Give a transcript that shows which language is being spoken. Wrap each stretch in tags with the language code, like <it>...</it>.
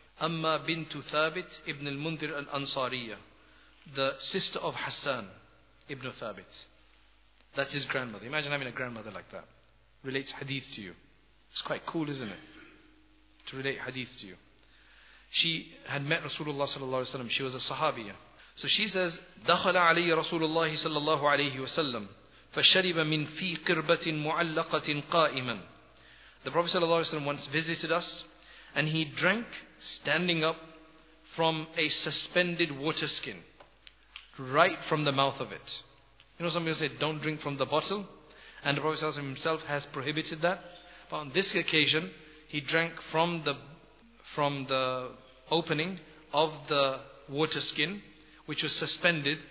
<en>Amma bintu Thabit ibn al-Mundhir al-Ansariya, the sister of Hassan ibn Thabit. That's his grandmother. Imagine having a grandmother like that. Relates hadith to you. It's quite cool, isn't it? To relate hadith to you. She had met Rasulullah sallallahu alayhi wa sallam. She was a sahabiyah. So she says,</en> <ar>دخل علي رسول الله صلى الله عليه وسلم فشرب من في قربة معلقة قائما.</ar> <en>The Prophet sallallahu alayhi wa sallam once visited us and he drank standing up from a suspended water skin, right from the mouth of it. You know, some people say, don't drink from the bottle. And the Prophet himself has prohibited that. But on this occasion, he drank from the opening of the water skin, which was suspended.</en>